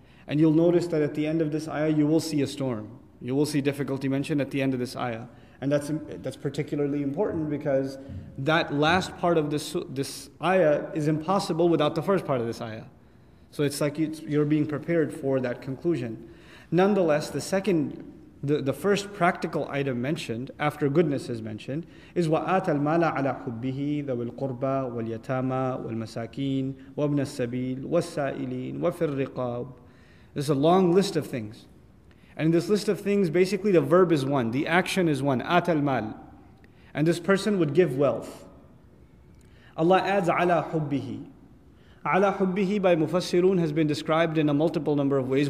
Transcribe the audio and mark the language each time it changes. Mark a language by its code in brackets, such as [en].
[en] And you'll notice that at the end of this ayah, you will see a storm. You will see difficulty mentioned at the end of this ayah. And that's particularly important because that last part of this ayah is impossible without the first part of this ayah. So it's like you're being prepared for that conclusion. Nonetheless, the first practical item mentioned, after goodness is mentioned, is [ar] وَآتَ الْمَالَ عَلَىٰ حُبِّهِ ذَوِي الْقُرْبَى وَالْيَتَامَى وَالْمَسَاكِينَ وَابْنَ السَّبِيلِ وَالسَّائِلِينَ وَفِي الرِّقَابِ. [en] This is a long list of things. And in this list of things, basically the verb is one, the action is one, [ar] آتَ الْمَالَ. [en] And this person would give wealth. Allah adds [ar] عَلَىٰ حُبِّهِ. عَلَىٰ حُبِّهِ [en] by Mufassirun has been described in a multiple number of ways.